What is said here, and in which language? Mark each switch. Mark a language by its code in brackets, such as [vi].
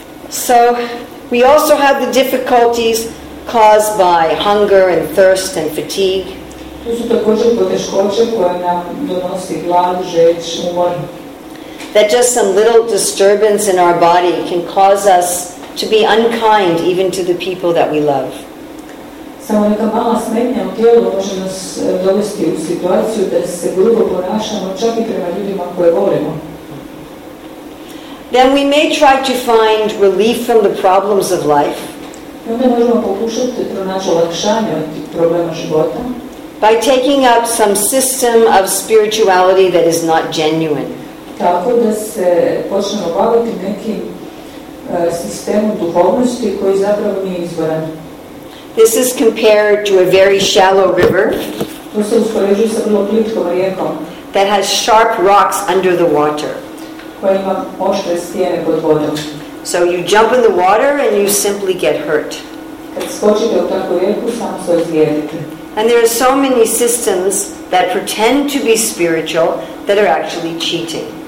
[en] So we also have the difficulties caused by hunger and thirst and fatigue. [hr] Tu su također poteškoće koje nam donosi glad, žeć, umor. [en] That just some little disturbance in our body can cause us to be unkind even to the people that we love. [hr] Samo neka mala smetnja u tijelu može nas dovesti u situaciju da se grubo ponašamo čak i prema ljudima koje volimo. [en] Then we may try to find relief from the problems of life. [hr] Onda možemo pokušati pronaći olakšanje od problema života. [en] By taking up some system of spirituality that is not genuine. [hr] Tako da se počnemo baviti nekim sistemom duhovnosti koji zapravo nije izvoran. [en] This is compared to a very shallow river. [hr] To se uspoređuje sa vrlo plitkom rijekom. [en] That has sharp rocks under the water. [hr] Koja ima oštre stijene pod vodom. [en] So you jump in the water and you simply get hurt. [hr] Kad skočite u takvu rijeku, samo se ozlijedite. [en] And there are so many systems that pretend to be spiritual that are actually cheating.